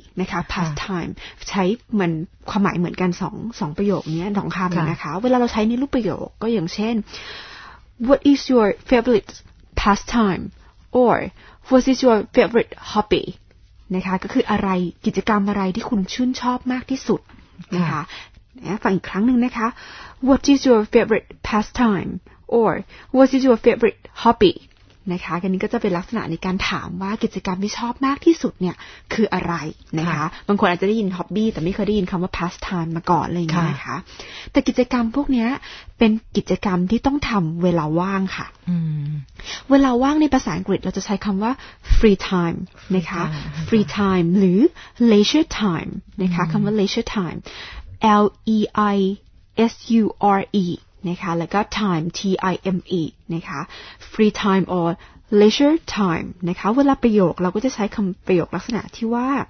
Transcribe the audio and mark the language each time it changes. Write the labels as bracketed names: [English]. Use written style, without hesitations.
[Thai] คะ pastime ใช้เหมือนความหมายเหมือนกัน2ประโยคนี้2คำนะคะเวลาเราใช้ในรูปประโยคก็อย่างเช่น [English] What is your favorite pastime? Or what is your favorite hobby? [Thai] นะคะก็คืออะไรกิจกรรมอะไรที่คุณชื่นชอบมากที่สุดนะคะนะฟังอีกครั้งหนึ่งนะคะ [English] What is your favorite pastime? Or what is your favorite hobby? [Thai] นะคะกันนี้ก็จะเป็นลักษณะในการถามว่ากิจกรรมที่ชอบมากที่สุดเนี่ยคืออะไรนะคะบางคนอาจจะได้ยิน hobby แต่ไม่เคยได้ยินคำว่า pastime มาก่อนเลยนะคะแต่กิจกรรมพวกนี้เป็นกิจกรรมที่ต้องทำเวลาว่างค่ะ เวลาว่างในภาษาอังกฤษเราจะใช้คำว่า free time นะคะ free time หรือ leisure time นะคะคำว่า leisure time l e i s u r e นะคะแล้วก็ time t i m e นะคะ [English] free time or leisure time [Thai] นะคะเวลาประโยคเราก็จะใช้คำประโยคลักษณะที่ว่า